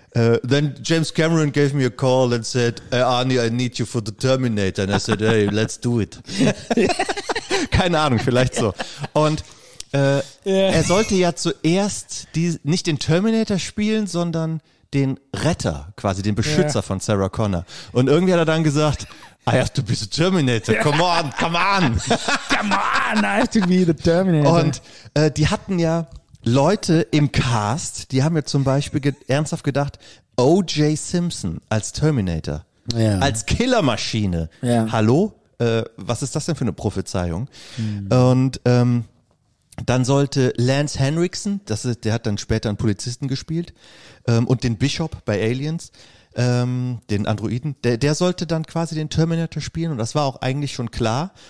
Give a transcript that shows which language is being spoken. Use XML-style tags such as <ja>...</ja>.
<en>Then James Cameron gave me a call and said, Arnie, I need you for the Terminator. And I said, hey, let's do it.</en> <de>Keine Ahnung, vielleicht so. Und er sollte ja zuerst nicht den Terminator spielen, sondern den Retter, quasi den Beschützer von Sarah Connor. Und irgendwie hat er dann gesagt,</de> <en>I have to be the Terminator. Come on. Come on, I have to be the Terminator.</en> <de>Und die hatten ja Leute im Cast, die haben ja zum Beispiel ernsthaft gedacht, O.J. Simpson als Terminator, als Killermaschine.</de> <en>Yeah.</en> <de>Hallo? Was ist das denn für eine Prophezeiung? Und dann sollte Lance Henriksen, der hat dann später einen Polizisten gespielt, und den Bishop bei Aliens, den Androiden, der sollte dann quasi den Terminator spielen und das war auch eigentlich schon klar.</de>